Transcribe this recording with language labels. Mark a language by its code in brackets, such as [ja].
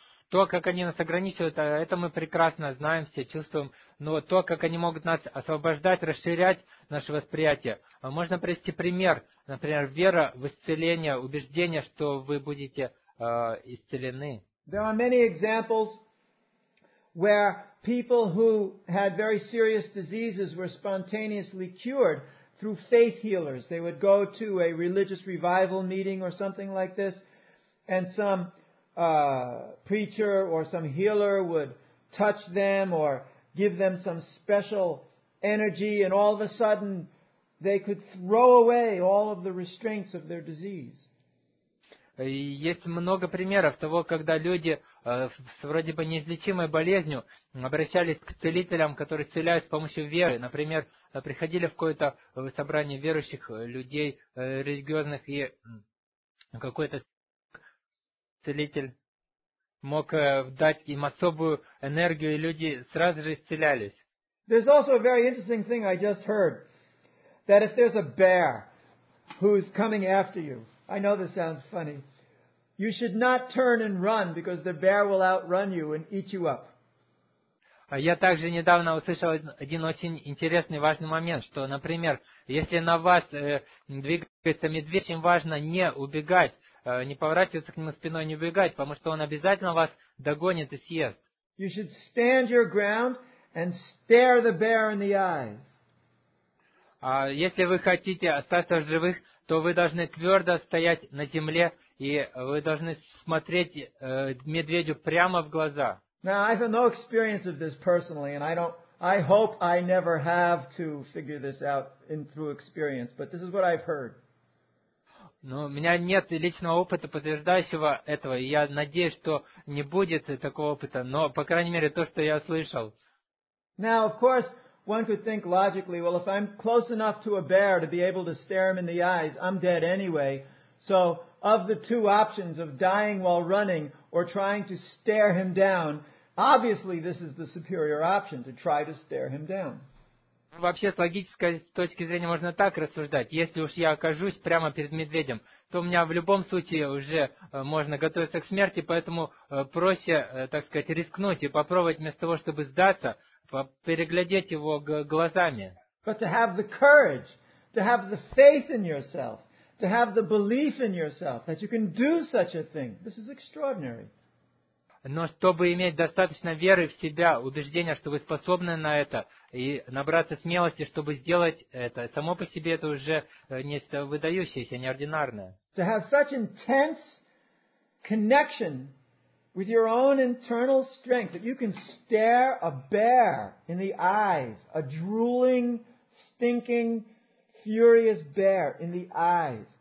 [ru] То, как они нас ограничивают, это мы прекрасно знаем, все чувствуем. Но то, как они могут нас освобождать, расширять наше восприятие. Можно привести пример. Например, вера в исцеление, убеждение, что вы будете исцелены. [en] There are many examples where people who had very serious diseases were spontaneously cured through faith healers. They would go to a religious revival meeting or something like this, and some preacher or some healer would touch them or give them some special energy, and all of a sudden they could throw away all of the restraints of their disease. [ru] Есть много примеров того, когда люди с вроде бы неизлечимой болезнью обращались к целителям, которые исцеляют с помощью веры. Например, приходили в какое-то собрание верующих людей, религиозных, и какой-то целитель мог дать им особую энергию, и люди сразу же исцелялись. [en] There's also a very interesting thing I just heard, that if there's a bear who's coming after you, I know this sounds funny, you should not turn and run, because the bear will outrun you and eat you up. [ru] Я также недавно услышал один очень интересный, важный момент, что, например, если на вас двигается медведь, очень важно не убегать, не поворачиваться к нему спиной, не убегать, потому что он обязательно вас догонит и съест. [en] You should stand your ground and stare the bear in the eyes. [ru] А если вы хотите остаться в живых, то вы должны твердо стоять на земле, и вы должны смотреть медведю прямо в глаза. [en] Now, I have no experience of this personally, and I hope I never have to figure this out through experience, but this is what I've heard. [ru] Но у меня нет личного опыта, подтверждающего этого, и я надеюсь, что не будет такого опыта, но, по крайней мере, то, что я слышал. [en] Now, of course, one could think logically, well, if I'm close enough to a bear to be able to stare him in the eyes, I'm dead anyway. So, of the two options of dying while running or trying to stare him down, obviously this is the superior option, to try to stare him down. [ru] Вообще, с логической точки зрения, можно так рассуждать. Если уж я окажусь прямо перед медведем, то у меня в любом случае уже можно готовиться к смерти, поэтому проще, так сказать, рискнуть и попробовать вместо того, чтобы сдаться, переглядеть его глазами. [en] But to have the courage to have the faith in yourself, to have the belief in yourself that you can do such a thing. This is extraordinary. [ru] Но чтобы иметь достаточно веры в себя, убеждения, что вы способны на это, и набраться смелости, чтобы сделать это, само по себе это уже нечто выдающееся, неординарное. [en] To have such intense connection with your own internal strength that you can stare a bear in the eyes, a drooling, stinking, furious bear in the eyes.